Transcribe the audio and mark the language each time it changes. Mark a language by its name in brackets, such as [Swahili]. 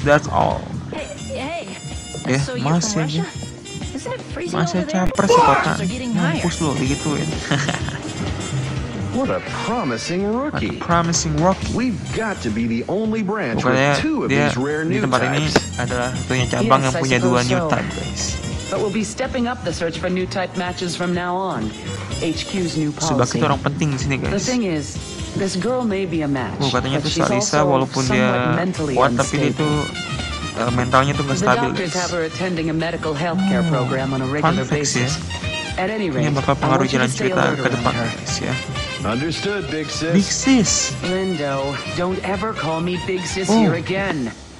[English] That's all. [Indonesian] Eh, masih aja. Masih caper sih kota. Mampus lo digituin. [English] What a promising rookie. What a promising rookie. We've got to be the only branch with two of these rare new types. [Indonesian] Di tempat ini adalah satunya cabang yang punya dua new type guys. [English] But we'll be stepping up the search for new type matches from now on. HQ's new policy. [Indonesian] Sebagai orang penting di sini guys. [English] The thing is, this girl may be a match. [Indonesian] Oh, katanya tuh Salisa walaupun dia kuat tapi dia tuh mentalnya tuh gak stabil guys. [English] The doctors have her attending a medical healthcare program on a regular basis. [Indonesian] Ini bakal pengaruh jalan cerita ke depan guys ya. [English] Understood, Big Sis. Big Sis. Lindo, don't ever call me Big Sis here again.